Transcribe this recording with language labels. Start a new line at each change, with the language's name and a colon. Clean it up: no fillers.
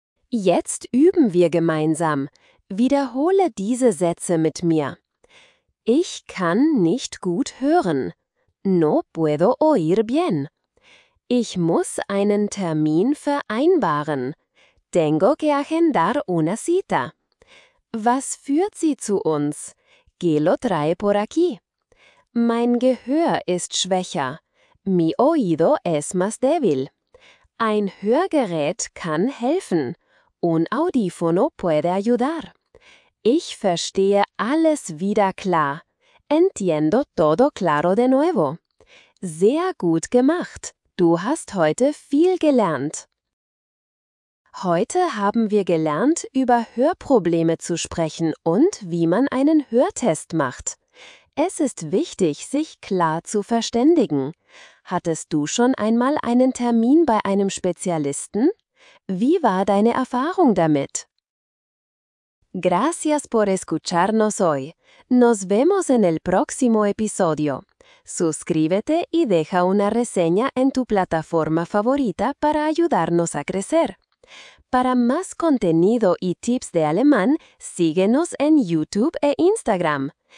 German: Jetzt üben wir gemeinsam. Wiederhole diese Sätze mit mir. Ich kann nicht gut hören.
Spanish: No puedo oír bien.
German: Ich muss einen Termin vereinbaren.
Spanish: Tengo que agendar una cita.
German: Was führt Sie zu uns?
Spanish: ¿Qué lo trae por aquí?
German: Mein Gehör ist schwächer.
Spanish: Mi oído es más débil.
German: Ein Hörgerät kann helfen.
Spanish: Un audífono puede ayudar.
German: Ich verstehe alles wieder klar.
Spanish: Entiendo todo claro de nuevo.
German: Sehr gut gemacht. Du hast heute viel gelernt. Heute haben wir gelernt, über Hörprobleme zu sprechen und wie man einen Hörtest macht. Es ist wichtig, sich klar zu verständigen. Hattest du schon einmal einen Termin bei einem Spezialisten? Wie war deine Erfahrung damit?
Spanish: Gracias por escucharnos hoy. Nos vemos en el próximo episodio. Suscríbete y deja una reseña en tu plataforma favorita para ayudarnos a crecer. Para más contenido y tips de alemán, síguenos en YouTube e Instagram.